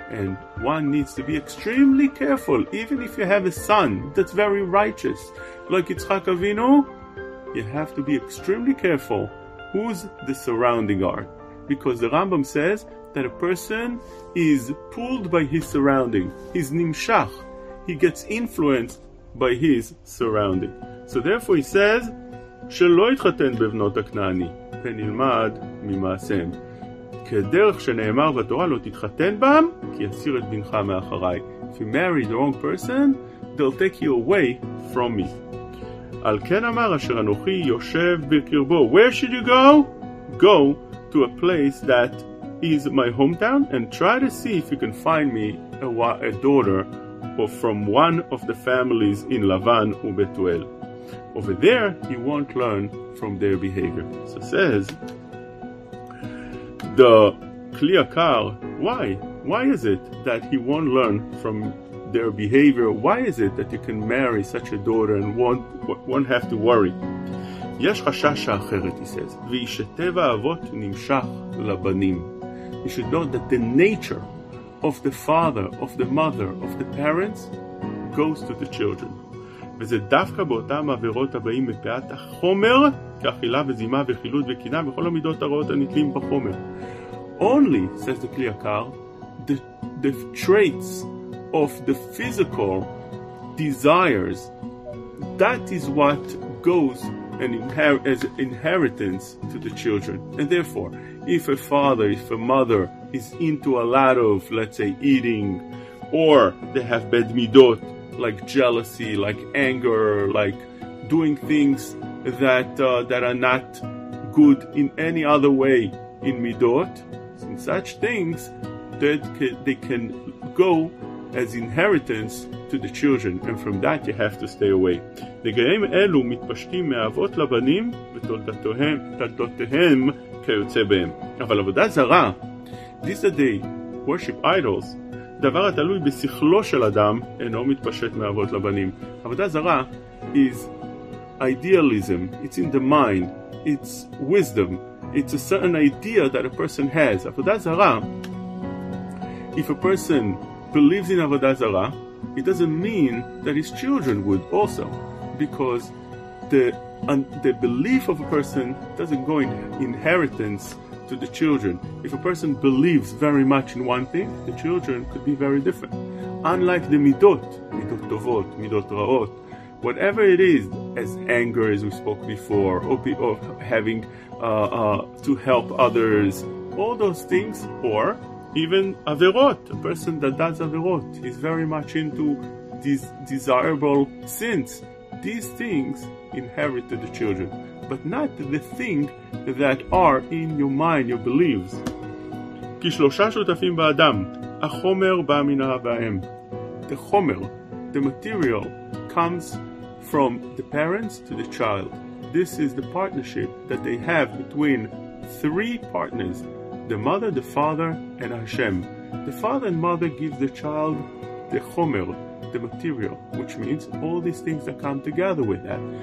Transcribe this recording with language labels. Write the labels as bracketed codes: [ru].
[en] And one needs to be extremely careful, even if you have a son that's very righteous, like Yitzchak Avinu. You have to be extremely careful who's the surrounding are. Because the Rambam says that a person is pulled by his surrounding. He's nimshach. He gets influenced by his surrounding. [he] So therefore he says, שלא יתחתן בבנות הכנעני, ונלמד ממעשיהם. כדרך שנאמר בתורה לא תתחתן בם, כי יסיר את בנך מאחריי. [en] If you marry the wrong person, they'll take you away from me. [he] Al ken amar asher anochi yoshev bekirbo. [en] Where should you go? Go to a place that is my hometown and try to see if you can find me a daughter or from one of the families in Lavan uBetuel. Over there, you won't learn from their behavior. So says the Kli Yakar, why? Why is it that he won't learn from their behavior? Why is it that you can marry such a daughter and won't have to worry? [he] Yesh chashash ha'acheret, [en] he says, [he] v'yishetev ha'avot nimshach labanim. [en] You should know that the nature of the father, of the mother, of the parents, goes to the children. [he] וזה דווקא באותם עבירות הבאים מפאת החומר, כאכילה וזימה וחילות וקינה וכל המידות הרעות הנתלים בחומר. [en] Only, says the Kli Yakar, the traits of the physical desires, that is what goes and as inheritance to the children. And therefore, if a father, if a mother is into a lot of, let's say, eating, or they have bad midot, like jealousy, like anger, like doing things that are not good in any other way in midot, and such things, they can go as inheritance to the children, and from that you have to stay away. [he] נגעים אלו מתפשטים מאהבות לבנים ותולדותיהם, תולדותיהם כיוצא בהם. אבל עבודה זרה, [en] this is the worship idols, [he] דבר התלוי בשכלו של אדם, אינו מתפשט מאהבות לבנים. [en] עבודה זרה is idealism, it's in the mind, it's wisdom, it's a certain idea that a person has. עבודה זרה, if a person believes in Avodah Zarah, it doesn't mean that his children would also, because the belief of a person doesn't go in inheritance to the children. If a person believes very much in one thing, the children could be very different. Unlike the midot, midot tovot, midot raot, whatever it is, as anger as we spoke before, or having to help others, all those things, or even Averot, a person that does Averot, is very much into these desirable sins. These things inherit to the children. but not the thing that are in your mind, your beliefs. [he] כי שלושה שותפים באדם, החומר בא מן האבאים. [en] The חומר, the material, comes from the parents to the child. This is the partnership that they have between three partners, the mother, the father, and Hashem. The father and mother give the child the chomer, the material, which means all these things that come together with that.